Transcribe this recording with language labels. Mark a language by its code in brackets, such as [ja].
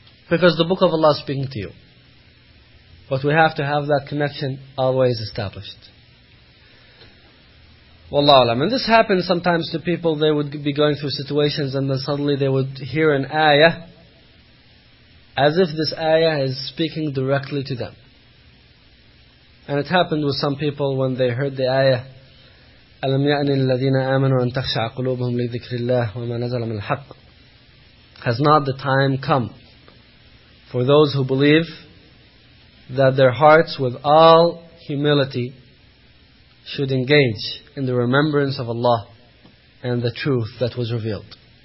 [en] Because the Book of Allah is speaking to you. But we have to have that connection always established. Wallahu alam. And this happens sometimes to people, they would be going through situations and then suddenly they would hear an ayah as if this ayah is speaking directly to them. And it happened with some people when they heard the ayah, [ar] أَلَمْ يَأْنِ الَّذِينَ آمَنُوا أَن تَخْشَعَ قُلُوبُهُمْ لِذِكْرِ اللَّهِ وَمَا نَزَلَ مِنْ الْحَقِّ. [en] Has not the time come for those who believe that their hearts with all humility should engage in the remembrance of Allah and the truth that was revealed.